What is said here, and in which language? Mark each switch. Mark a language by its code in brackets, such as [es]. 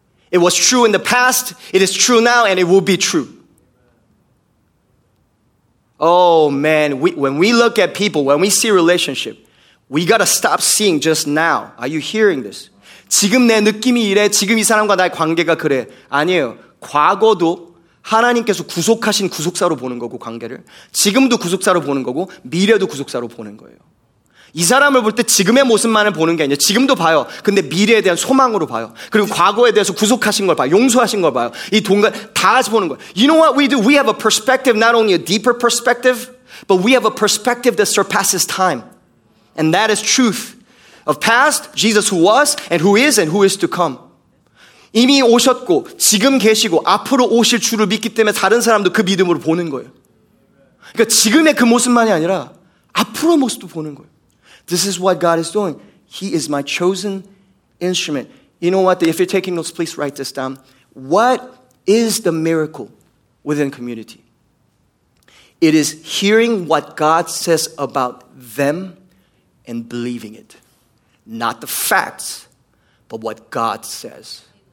[en] It was true in the past, it is true now, and it will be true. Oh man, when we look at people, when we see relationship, we gotta stop seeing just now. Are you hearing this? [ko] 지금 내 느낌이 이래, 지금 이 사람과 나의 관계가 그래. 아니에요. 과거도 하나님께서 구속하신 구속사로 보는 거고, 관계를. 지금도 구속사로 보는 거고, 미래도 구속사로 보는 거예요. 이 사람을 볼 때 지금의 모습만을 보는 게 아니에요. 지금도 봐요. 근데 미래에 대한 소망으로 봐요. 그리고 과거에 대해서 구속하신 걸 봐요. 용서하신 걸 봐요. 이 동간 다 같이 보는 거예요. [en] You know what we do? We have a perspective, not only a deeper perspective, but we have a perspective that surpasses time. And that is truth. Of past, Jesus who was, and who is to come. [ko] 이미 오셨고, 지금 계시고, 앞으로 오실 주를 믿기 때문에 다른 사람도 그 믿음으로 보는 거예요. 그러니까 지금의 그 모습만이 아니라 앞으로 모습도 보는 거예요. [en] This is what God is doing. He is my chosen instrument. You know what? If you're taking notes, please write this down. What is the miracle within community? It is hearing what God says about them and believing it. Not the facts, but what God says.